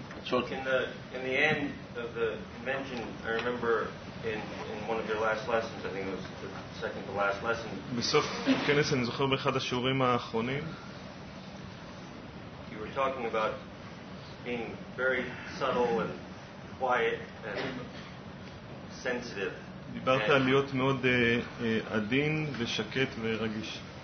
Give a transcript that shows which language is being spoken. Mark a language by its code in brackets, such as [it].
[en] In the end of the convention, I remember in one of your last lessons, I think it was the second to last lesson. [he] בסוף כנס אני זוכר באחד השיעורים האחרונים. [en] You were talking about being very subtle and quiet and sensitive. [he] דיברת על להיות מאוד עדין ושקט ורגיש.